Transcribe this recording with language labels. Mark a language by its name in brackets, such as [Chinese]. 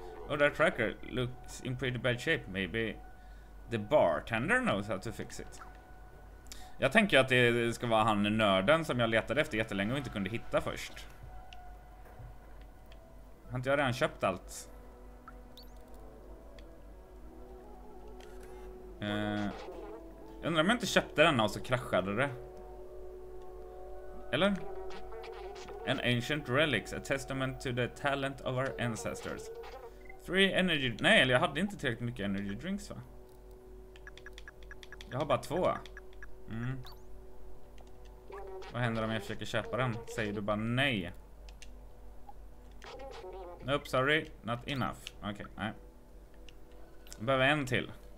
[English] Oh, that tracker looks in pretty bad shape. Maybe the bartender knows how to fix it. [Swedish] Jag tänker att det ska vara han nörden som jag letade efter jättelänge och inte kunde hitta först. Har inte jag redan köpt allt? Jag undrar om jag inte köpte denna och så kraschade det. Eller? [English] An ancient relic, a testament to the talent of our ancestors. 3 energy... [Swedish] Nej, eller jag hade inte tillräckligt mycket energy drinks va? Jag har bara 2. Mm. Vad händer om jag försöker köpa den? Säger du bara nej? [English] Nope, sorry. Not enough. [Swedish] Okej, okay, nej. Jag behöver en till.